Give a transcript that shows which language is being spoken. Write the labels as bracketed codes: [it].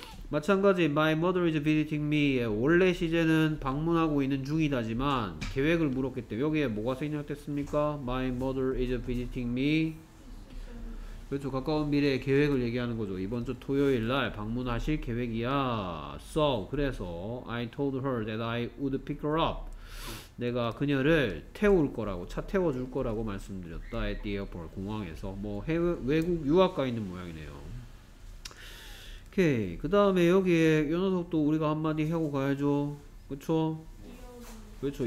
[ko] 마찬가지 [en] My mother is visiting me [ko] 의 원래 시제는 방문하고 있는 중이다지만 계획을 물었기 때문에 여기에 뭐가 생략됐습니까? [en] My mother is visiting me. [ko] 그렇죠. 가까운 미래의 계획을 얘기하는 거죠. 이번 주 토요일 날 방문하실 계획이야. [en] So [ko] 그래서 [en] I told her that I would pick her up. [ko] 내가 그녀를 태울 거라고 차 태워줄 거라고 말씀드렸다. [en] At the airport [ko] 공항에서 뭐 해외 외국 유학 가 있는 모양이네요. 오케이. 그 다음에 여기에 이 녀석도 우리가 한마디 하고 가야죠. 그쵸? 그쵸.